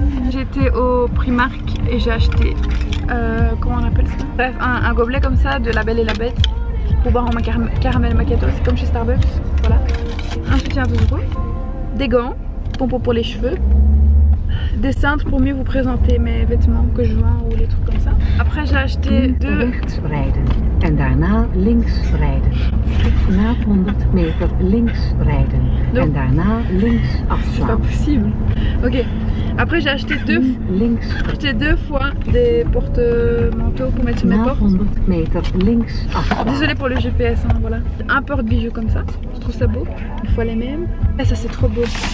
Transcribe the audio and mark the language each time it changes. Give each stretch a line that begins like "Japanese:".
French: J'étais au Primark et j'ai acheté comment on appelle ça, bref, un gobelet comme ça de La Belle et la Bête pour boire en caramel macchiato, c'est comme chez Starbucks, voilà. Un soutien à 2€, des gants, pompons pour les cheveux, des cintres pour mieux vous présenter mes vêtements que je vends ou les trucs comme ça. Après j'ai acheté deux
Dutch: rechtsrijden en daarna linksrijden. 100 meter linksrijden en daarna links afslaan.
French: C'est pas possible. OK. Après j'ai acheté deux fois des porte-manteaux pour mettre sur mes portes. 100 mètres links. Désolée pour le GPS, hein, voilà. Un porte-bijoux comme ça, je trouve ça beau. Une fois les mêmes. Et ça c'est trop beau.